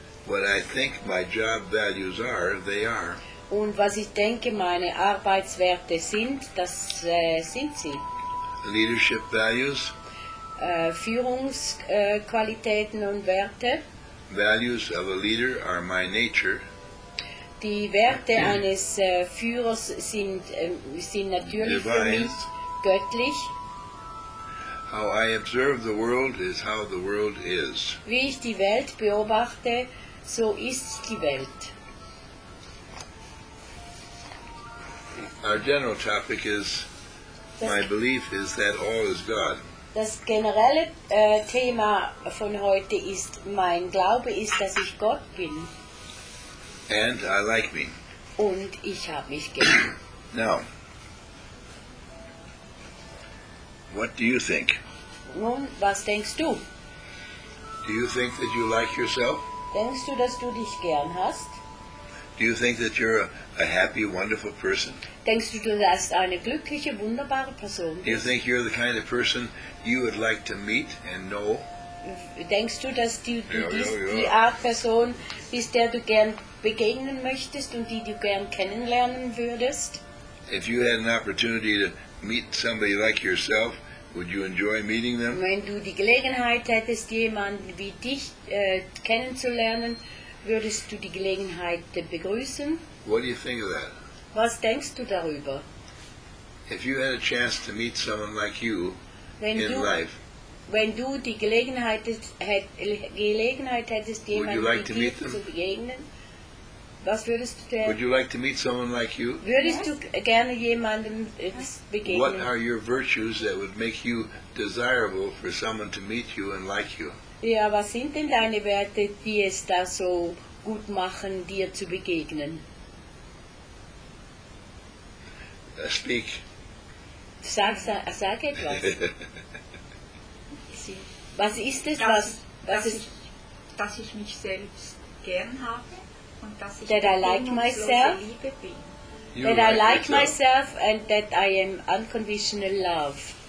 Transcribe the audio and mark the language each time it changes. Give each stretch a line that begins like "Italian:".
English: What I think my job values are, they are.
German: Und was ich denke, meine Arbeitswerte sind, das sind sie.
English: Leadership values.
German: Führungsqualitäten und Werte.
English: Values of a leader are my nature.
German: Die Werte eines Führers sind natürlich Für mich göttlich.
English: How I observe the world is how the world is.
German: Wie ich die Welt beobachte, so ist die Welt.
English: Our general topic is, my belief is that all is God.
German: Das generelle Thema von heute ist, mein Glaube ist, dass ich Gott bin.
English: And I like me.
German: Und ich habe mich gern.
English: Now, what do you think?
German: Nun, was denkst du?
English: Do you think that you like yourself?
German: Denkst du, dass du dich gern hast?
English: Do you think that you're a happy, wonderful person?
German: Denkst du, dass du eine glückliche, wunderbare Person bist?
English: Do you think you're the kind of person you would like to meet and know?
German: Denkst du, dass die Art Person bist, der du gern begegnen möchtest und die du gern kennenlernen würdest?
English: If you had an opportunity to meet somebody like yourself, would you enjoy meeting them?
German: Wenn du die Gelegenheit hättest, jemanden wie dich kennenzulernen, würdest du die Gelegenheit begrüßen?
English: What do you think of that?
German: Was denkst du darüber?
English: If you had a chance to meet someone like you in life,
German: wenn du die Gelegenheit hättest, jemanden
English: would you like to meet them?
German: Zu begegnen, was würdest du denn?
English: Would you like to meet someone like you?
German: Würdest du gerne jemanden begegnen?
English: What are your virtues that would make you desirable for someone to meet you and like you?
German: Ja, was sind denn deine Werte, die es da so gut machen, dir zu begegnen?
English: Speak.
German: Sag etwas. Was ist es, dass ich mich selbst gern habe und dass ich Liebe bin?
English: That I like myself and that I am unconditional love.